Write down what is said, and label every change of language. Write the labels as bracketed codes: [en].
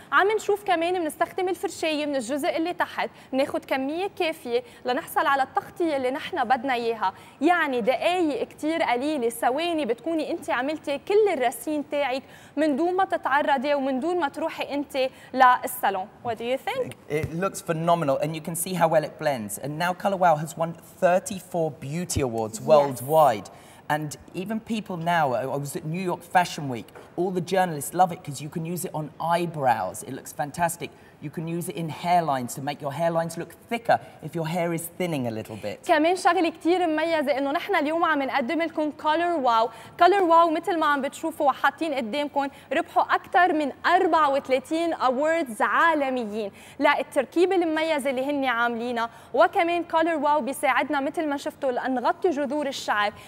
[ar] عم نشوف كمان بنستخدم الفرشاية من الجزء اللي تحت, بناخد كمية كافية لنحصل على التغطية اللي نحن بدنا إياها, يعني دقايق كتير قليلة, ثواني بتكوني أنت عملتي كل الرسين تاعك من دون ما تتعرضي ومن دون ما تروح تروحي انت للصالون. [en] What do you think? It looks phenomenal and you can see how well it blends. And now Color Wow has won 34 beauty awards worldwide. Yes. And even people now, I was at New York Fashion Week, all the journalists love it because you can use it on eyebrows. It looks fantastic. You can use it in hairlines to make your hairlines look thicker if your hair is thinning a little bit. [ar] كمان شغلة كتير مميزة إنه نحن اليوم عم نقدم لكم Color Wow. Color Wow مثل ما عم بتشوفوا وحاطين قدامكم ربحوا أكثر من 34 awards عالميين للتركيبة المميزة اللي هن عاملينها، وكمان Color Wow بيساعدنا مثل ما شفتوا لنغطي جذور الشعر،